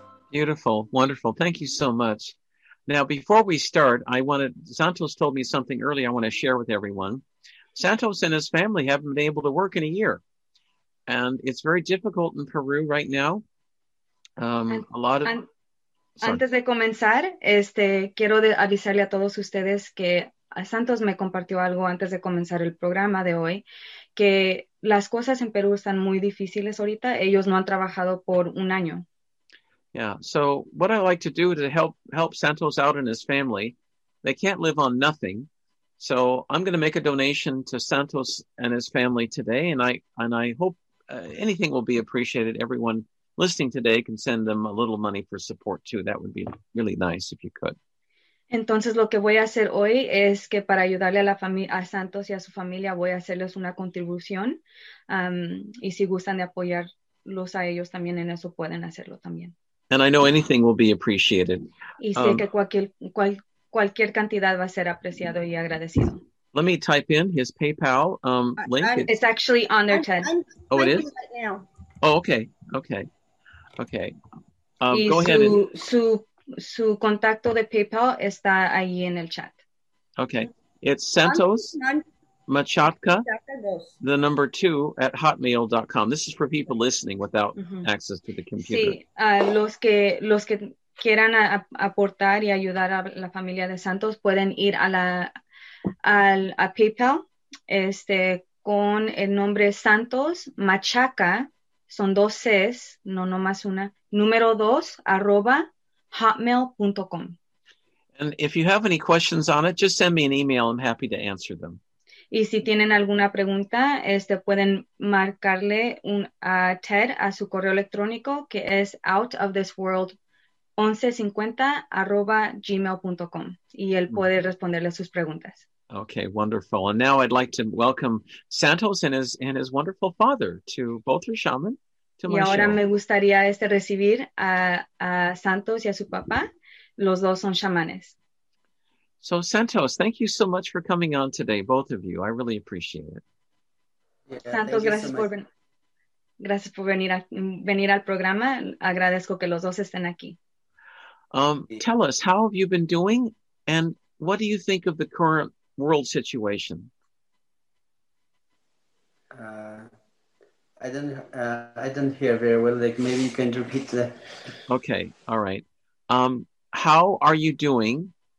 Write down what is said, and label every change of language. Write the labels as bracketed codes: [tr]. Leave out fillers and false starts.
[en] Beautiful, wonderful. Thank you so much. Now, before we start, Santos told me something earlier I want to share with everyone. Santos and his family haven't been able to work in a year. And it's very difficult in Peru right now. [es] Antes de comenzar, quiero avisarle a todos ustedes que Santos me compartió algo antes de comenzar el programa de hoy, que las cosas en Perú están muy difíciles ahorita. Ellos no han trabajado por un año. [en] Yeah, so what I like to do to help Santos out and his family, they can't live on nothing. So I'm going to make a donation to Santos and his family today, and I hope anything will be appreciated. Everyone listening today can send them a little money for support too. That would be really nice if you could. [es] Entonces lo que voy a hacer hoy es que para ayudarle a la familia a Santos y a su familia voy a hacerles una contribución, y si gustan de apoyarlos a ellos también en eso pueden hacerlo también. [en] And I know anything will be appreciated. [es] Y sé que cualquier cantidad va a ser apreciado y agradecido. [en] Let me type in his PayPal link. It's actually on there, Ted. Oh, it is? Right now. Oh, okay. Okay. Okay. Go ahead. [es] And su contacto de PayPal está ahí en el chat. [en] Okay. It's Santos Machatka, the number 2@hotmail.com. This is for people listening without access to the computer. [es] Sí, los que quieran aportar y ayudar a la familia de Santos pueden ir a PayPal, con el nombre Santos Machaca, son dos C's, no nomás una, número dos, @hotmail.com. [en] And if you have any questions on it, just send me an email. I'm happy to answer them. [es] Y si tienen alguna pregunta, pueden marcarle a Ted a su correo electrónico, que es outofthisworld1150@gmail.com. Y él puede responderle sus preguntas. [en] Okay, wonderful. And now I'd like to welcome Santos and his wonderful father to both your shaman to [es] y [en] my show. [es] Y ahora me gustaría recibir a Santos y a su papá. Los dos son chamanes. [en] So Santos, thank you so much for coming on today, both of you. I really appreciate it. Yeah, [es] Santos, gracias por venir al programa. Agradezco que los dos estén aquí. [en] Tell us, how have you been doing and what do you think of the current world situation? I don't hear very well. Like, maybe you can repeat that. Okay. All right. How are you doing?